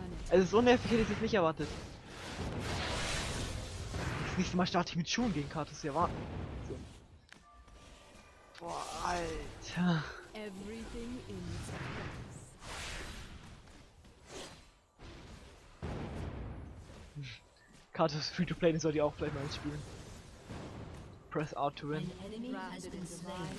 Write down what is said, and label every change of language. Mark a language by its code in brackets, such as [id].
[de] Also so nervig hätte ich es nicht erwartet. Das nächste Mal starte ich mit Schuhen gegen Karthus, ja warten. Boah, Alter. [en] Everything in its place. [de] Karthus free to play, den soll die auch vielleicht mal spielen. [en] Press R to win. An enemy has been slain.